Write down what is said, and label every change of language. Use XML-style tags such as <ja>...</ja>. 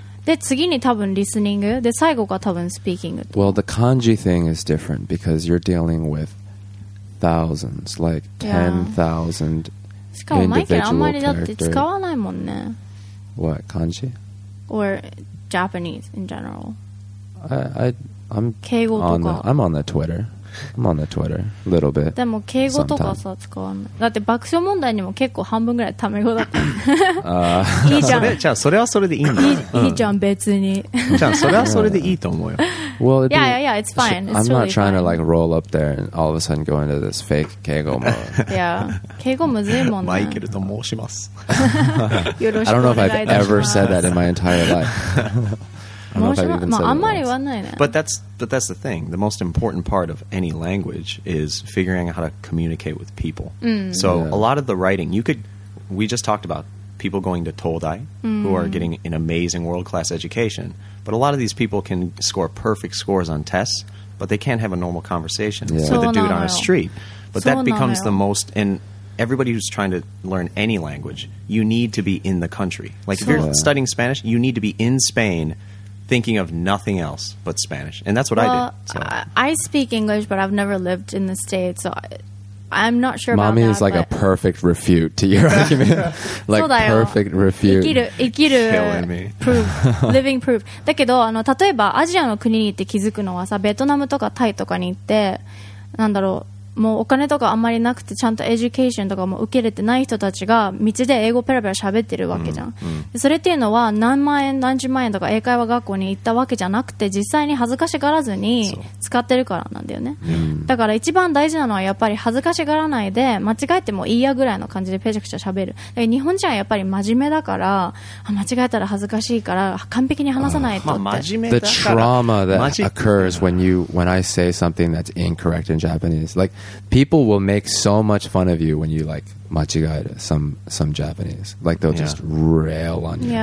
<ja>で次に多分リスニングで最後が多分スピーキング。</ja> <en>Well, the kanji thing is different because you're dealing with thousands, like 10,000 individual characters.</en> <ja>しかもマイケルあんまりだって使わないもんね。</ja> <en>What, kanji? Or Japanese in general. I'm</en> <ja>敬語とか。</ja> <en>I'm on the Twitter a little bit.</en> <ja>でも敬語とかさ使わない。だって爆笑問題にも結構半分ぐらいタメ語だった。いいじゃん。じゃあそれはそれでいいんだ。いいじゃん別に。じゃあそれはそれでいいと思うよ。</ja> <en>Well, yeah, yeah, yeah. It's fine. It's I'm really not trying To like roll up there and all of a sudden go into this fake 敬語 mode.</en> <ja>Yeah, 敬語 難しいもんね. Michael と申します.</ja> <en>I don't know if I've ever said that in my entire life. But that's the thing. The most important part of any language is figuring out how to communicate with people. Mm. So yeah. A lot of the writing, we just talked about people going to Todai, who are getting an amazing world-class education. But a lot of these people can score perfect scores on tests, but they can't have a normal conversation with a dude on a street. But that becomes the most... And everybody who's trying to learn any language, you need to be in the country. Like, if you're studying Spanish, you need to be in Spain... thinking of nothing else but Spanish. And that's what I did. I speak English, but I've never lived in the States, so I'm not sure about Mommy is like a perfect refute to your argument. Like, perfect refute.</en> <ja>生きる</ja> <en>proof. Living proof.</en> <ja>だけど、あの、例えばアジアの国に行って気づくのはさ、ベトナムとかタイとかに行って、なんだろう、もうお金とかあんまりなくてちゃんとエデュケーションとかも受けれてない人たちが道で英語ペラペラ喋ってるわけじゃん、それっていうのは何万円何十万円とか英会話学校に行ったわけじゃなくて実際に恥ずかしがらずに使ってるからなんだよね、だから一番大事なのはやっぱり恥ずかしがらないで間違えてもいいやぐらいの感じでペチャクチャ喋る。だから日本人はやっぱり真面目だから、あ、間違えたら恥ずかしいから完璧に話さないとって、真面目だから</ja> <en>The trauma that occurs when I say something that's incorrect in Japanese, likePeople will make so much fun of you when you like machigaeru some Japanese, like they'll just rail on you.</en>